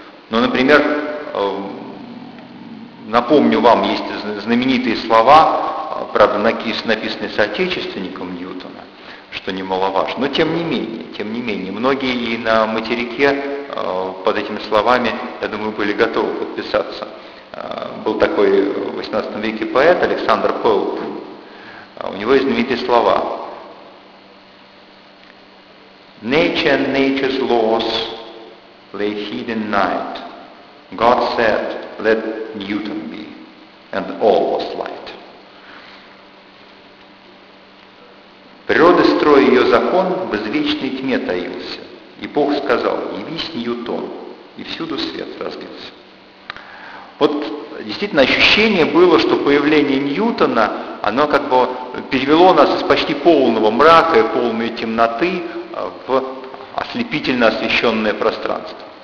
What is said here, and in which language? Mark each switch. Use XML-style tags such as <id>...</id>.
<ru>Но, например, напомню вам, есть знаменитые слова, правда, написанные соотечественником Ньютона, что немаловажно, но тем не менее, многие и на материке под этими словами, я думаю, были готовы подписаться. Был такой в 18 веке поэт Александр Пэлп, у него есть знаменитые слова.</ru> <en>Nature and nature's laws lay hidden night. God said, let Newton be, and all was light.</en> <ru>Природа, строя ее закон, в извечной тьме таился. И Бог сказал, явись Ньютон, и всюду свет разлился. Вот действительно ощущение было, что появление Ньютона, оно перевело нас из почти полного мрака и полной темноты в ослепительно освещенное пространство.</ru>